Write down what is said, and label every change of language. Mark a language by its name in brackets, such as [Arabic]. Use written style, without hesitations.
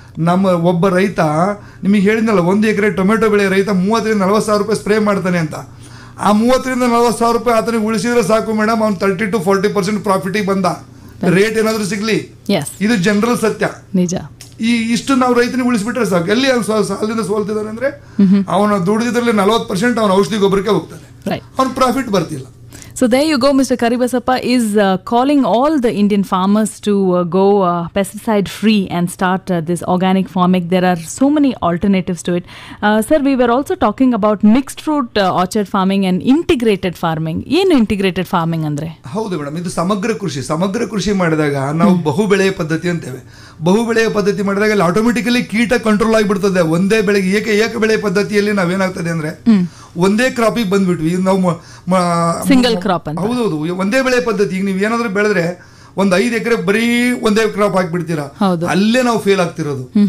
[Kannada] ನಮ್ಮ ಒಬ್ಬ ರೈತ ನಿಮಗೆ ಹೇಳಿದ್ನಲ್ಲ, 1 ಎಕರೆ ಟೊಮೆಟೊ ಬೆಳೆ ರೈತ 30-40 ಸಾವಿರ ರೂಪಾಯಿ ಸ್ಪ್ರೇ ಮಾಡ್ತಾನೆ ಅಂತ, ಆ 30-40 ಸಾವಿರ ರೂಪಾಯಿ ಆತನಿಗೆ ಉಳಿಸಿದ್ರೆ ಸಾಕು ಮೇಡಮ್, ಅವ್ನು 30-40% ಪ್ರಾಫಿಟಿಗೆ ಬಂದ, ರೇಟ್ ಏನಾದರೂ ಸಿಗಲಿ. ಇದು ಜನರಲ್ ಸತ್ಯ, ನಿಜ. ಈ ಇಷ್ಟು ನಾವು ರೈತನಿಗೆ ಉಳಿಸಿಬಿಟ್ರೆ ಸಾಕು, ಎಲ್ಲಿ ಅವ್ನು ಸಾಲದಿಂದ ಸೋಲ್ತಿದ್ದಾನೆ ಅಂದರೆ, ಅವನ ದುಡಿದ್ರಲ್ಲಿ 40% ಅವನ ಔಷಧಿ ಗೊಬ್ಬರಕ್ಕೆ ಹೋಗ್ತಾನೆ, ಅವ್ನು ಪ್ರಾಫಿಟ್ ಬರ್ತಿಲ್ಲ. [English] So there you go, Mr. Karibasappa is calling all the Indian farmers to go pesticide free and start this organic farming. There are so many alternatives to it. Sir, we were also talking about mixed fruit orchard farming and integrated farming. [Kannada] Yen [English] integrated farming [Kannada] andre? Howdy madam, idu samagra krushi. Samagra krushi madidaga naavu bahu beleya paddhati anteve. ಬಹು ಬೆಳೆಯ ಪದ್ಧತಿ ಮಾಡಿದಾಗ ಅಲ್ಲಿ automatically ಕೀಟ control ಆಗಿಬಿಡ್ತದೆ. ಒಂದೇ ಬೆಳೆಗೆ ಏಕ ಬೆಳೆ ಪದ್ಧತಿಯಲ್ಲಿ ನಾವೇನಾಗ್ತದೆ ಅಂದ್ರೆ ಒಂದೇ ಕ್ರಾಪಿಗೆ ಬಂದ್ಬಿಟ್ವಿ ನಾವು [English] Single crop. [Kannada] ಹೌದೌದು, ಒಂದೇ ಬೆಳೆ ಪದ್ಧತಿ. ಈಗ ನೀವು ಏನಾದ್ರೂ ಬೆಳೆದ್ರೆ ಒಂದ್ 5 ಎಕರೆ ಬರೀ ಒಂದೇ ಕ್ರಾಪ್ ಹಾಕ್ಬಿಡ್ತೀರಾ, ಅಲ್ಲೇ ನಾವು ಫೇಲ್ ಆಗ್ತಿರೋದು.